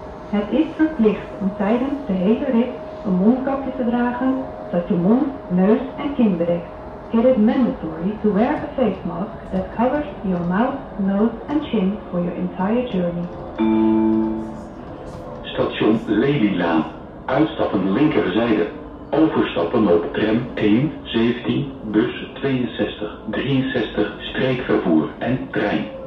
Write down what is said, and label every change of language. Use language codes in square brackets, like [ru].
[nl] Het is verplicht om tijdens de hele rit een mondkapje te dragen, zodat je mond, neus en kin bedekt. [en] It is mandatory to wear a face mask that covers your mouth, nose and chin for your entire journey. [nl] Station Lelylaan. Uitstappen linkerzijde. Overstappen op tram 1, 17, bus 62, 63, streekvervoer en trein.